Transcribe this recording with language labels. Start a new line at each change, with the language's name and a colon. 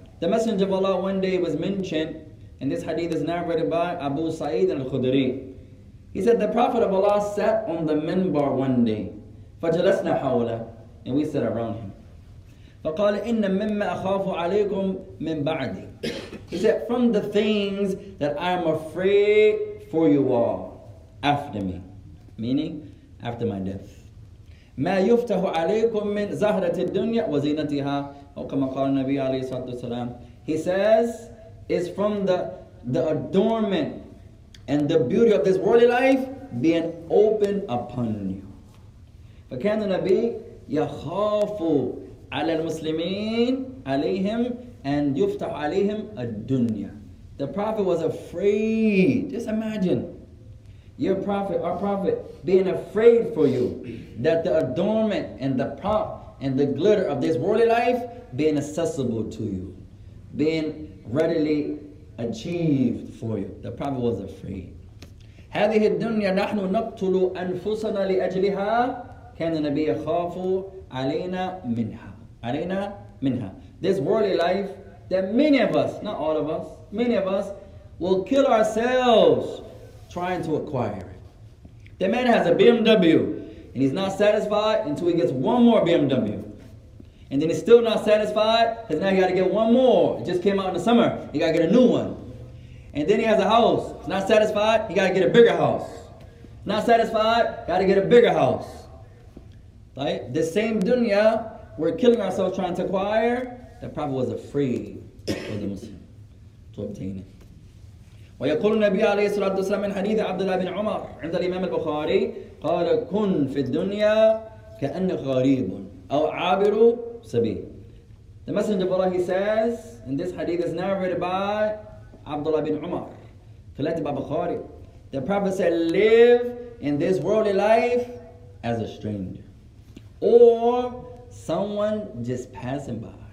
English: The Messenger of Allah one day was mentioned, and this hadith is narrated by Abu Sa'id al-Khudri. He said the Prophet of Allah sat on the minbar one day,
Arabic: فجلسنا حوله,
English: and we sat around him.
Arabic: فقال إن مما أخاف عليكم من بعدي.
English: He said from the things that I am afraid for you all. After me, meaning after my death.
Arabic: ما يفتح عليكم من زهرة الدنيا وزينتها أو كما قال النبي عليه الصلاة والسلام.
English: He says, it's from the adornment and the beauty of this worldly life being open upon you.
Arabic: فكان النبي يخاف على المسلمين عليهم and يفتح عليهم الدنيا.
English: The Prophet was afraid. Just imagine. Your Prophet, our Prophet, being afraid for you that the adornment and the prop and the glitter of this worldly life being accessible to you, being readily achieved for you. The Prophet was afraid.
Arabic: هذه الدنيا نحن نقتل أنفسنا لأجلها كان النبي يخاف علينا منها. علينا منها.
English: This worldly life that many of us, not all of us, many of us will kill ourselves trying to acquire it. The man has a BMW and he's not satisfied until he gets one more BMW. And then he's still not satisfied because now he gotta get one more. It just came out in the summer. He gotta get a new one. And then he has a house. He's not satisfied, he gotta get a bigger house. Not satisfied, gotta get a bigger house. Right? The same dunya we're killing ourselves trying to acquire, that Prophet was afraid for the Muslim to obtain it.
Arabic: ويقول النبي عليه الصلاة والسلام من حديث عبد الله بن عمر عند الإمام البخاري قال كن في الدنيا كأنك غريب أو عابر سبيل.
English: The Messenger of Allah, he says, and this hadith is narrated by Abdullah bin Umar, collected by Bukhari. The Prophet said, live in this worldly life as a stranger or someone just passing by.